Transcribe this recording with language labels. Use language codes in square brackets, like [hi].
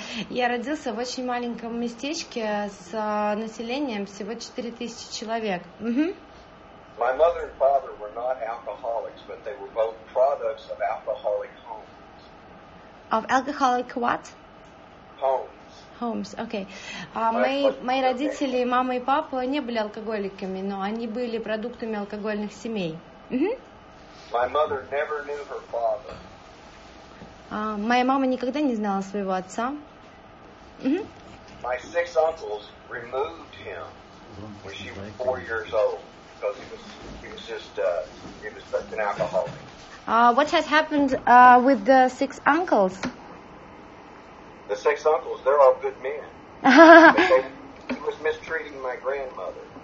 [ru] Я родился в очень маленьком местечке с населением всего 4000 человек. [en] My mother and father were not alcoholics, but they were both products of alcoholic homes. Of alcoholic what? Homes. Homes, okay. [ru] Мои родители, мама и папа, не были алкоголиками, но они были продуктами алкогольных семей. [en] My mother never knew her father. [ru] Моя мама никогда не знала своего отца. [en] My six uncles removed him when she was 4 years old because he was just an alcoholic. What has happened with the six uncles? The six uncles, they're all good men. But he was mistreating my grandmother.